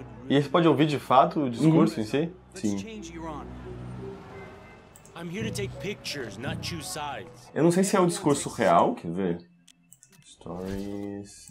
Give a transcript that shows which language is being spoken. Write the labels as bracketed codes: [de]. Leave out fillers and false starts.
[pt] E você pode ouvir de fato o discurso em si? Sim. [en] I'm here to take pictures, not choose sides. [pt] Eu não sei se é o discurso real, quer ver? Stories...